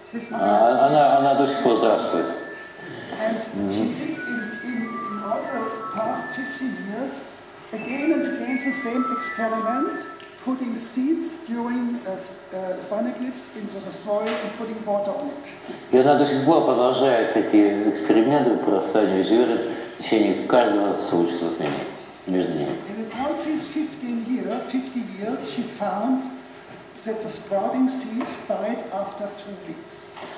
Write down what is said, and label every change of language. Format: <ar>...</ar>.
<ru>Она до сих пор здравствует.</ru> <en>Past 50 years, again and again, the same experiment, putting seeds during a sun eclipse into the soil and putting water on it.</en> <ru>И она до сих пор продолжает эти эксперименты по растению зерен в течение каждого случая затмения между ними.</ru> <en>And in all these 50 years, she found that the sprouting seeds died after 2 weeks.</en>